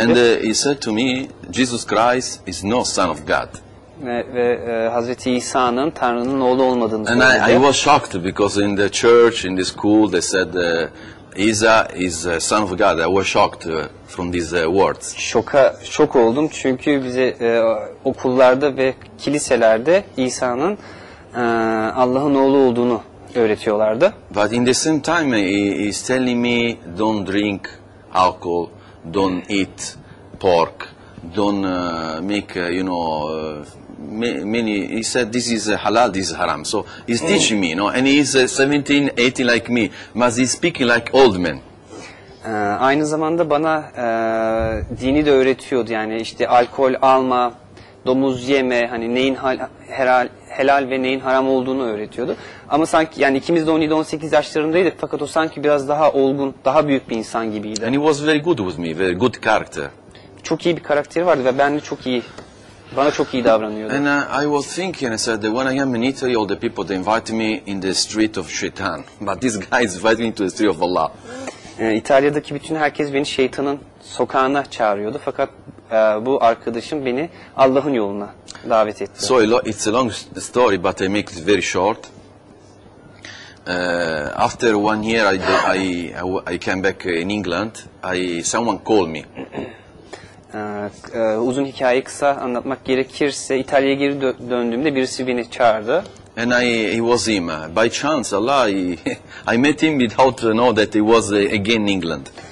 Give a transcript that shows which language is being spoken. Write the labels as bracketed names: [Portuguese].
[English] And he said to me, Jesus Christ is no son of God. [Turkish] Ve Hazreti İsa'nın Tanrı'nın oğlu olmadığını söyledi. [English] And I was shocked because in the church, in the school, they said Isa is son of God. I was shocked from these words. [Turkish] Şok oldum çünkü bize okullarda ve kiliselerde İsa'nın Allah'ın oğlu olduğunu öğretiyorlardı. [English] But in the same time he's telling me don't drink alcohol, don't eat pork, don't make you know many he said this is halal this is haram so he's teaching me you know and he's 17 18 like me but he's speaking like old man [Turkish] aynı zamanda bana dini de öğretiyordu yani işte alkol alma domuz yeme hani neyin helal ve neyin haram olduğunu öğretiyordu ama sanki yani ikimiz de 17-18 yaşlarındaydık fakat o sanki biraz daha olgun daha büyük bir insan gibiydi [English] and he was very good with me very good character. [Turkish] Çok iyi bir karakteri vardı ve benle çok iyi, bana çok iyi davranıyordu. [English] And I was thinking, I said that when I am in Italy, all the people they invite me in the street of Shaitan, but this guy is inviting me to the street of Allah. [Turkish] İtalya'daki bütün herkes beni şeytanın sokağına çağırıyordu, fakat bu arkadaşım beni Allah'ın yoluna davet etti. [English] So it's a long story, but I make it very short. After one year, I came back in England. Someone called me. [Turkish] Uzun hikaye kısa anlatmak gerekirse İtalya'ya geri döndüğümde birisi beni çağırdı. [English] And he was him. By chance Allah I met him without know that he was again in England.